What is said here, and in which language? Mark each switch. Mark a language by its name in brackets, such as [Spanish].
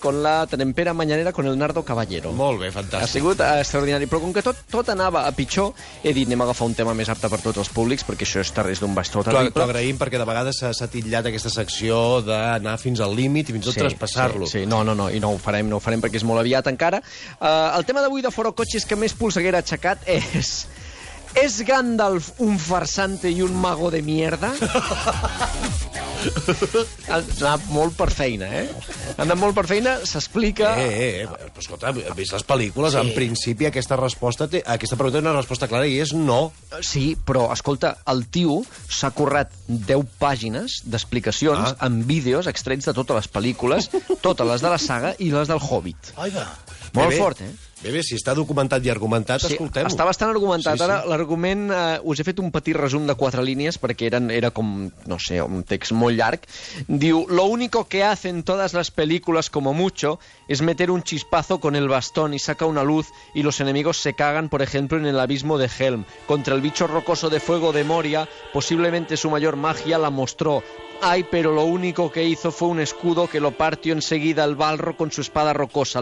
[Spanish] Con la trempera mañanera con el Nardo Caballero. [Catalan] Molt bé, fantàstic. Ha sigut extraordinari, però com que tot anava a pitjor, he dit, anem a agafar un tema més apte per tots els públics, perquè això és terrest d'un bastó. T'ho agraïm, perquè de vegades s'ha titllat aquesta secció d'anar fins al límit i fins tot traspassar-lo. Sí, no, i no ho farem, perquè és molt aviat encara. El tema d'avui de Foro Coches que més polseguera ha aixecat és... [Spanish] ¿Es Gandalf un farsante y un mago de mierda? [Catalan] Ha anat molt per feina, eh? Ha anat molt per feina, s'explica... Escolta, he vist les pel·lícules, sí. En principi aquesta pregunta té una resposta clara i és no. Sí, però escolta, el tio s'ha currat 10 pàgines d'explicacions amb vídeos extrets de totes les pel·lícules, totes les de la saga i les del Hobbit. Ai, va. Molt fort, eh? Bé, si està documentat i argumentat, sí, escoltem-ho. Està bastant argumentat. Sí, sí. Ara, l'argument... us he fet un petit resum de 4 línies, perquè era com, no sé, un text molt llarg. [Spanish] Diu: lo único que hacen todas las películas, como mucho, es meter un chispazo con el bastón y saca una luz y los enemigos se cagan, por ejemplo, en el abismo de Helm. Contra el bicho rocoso de fuego de Moria, posiblemente su mayor magia la mostró. Ay, pero lo único que hizo fue un escudo que lo partió enseguida el Balrog con su espada rocosa.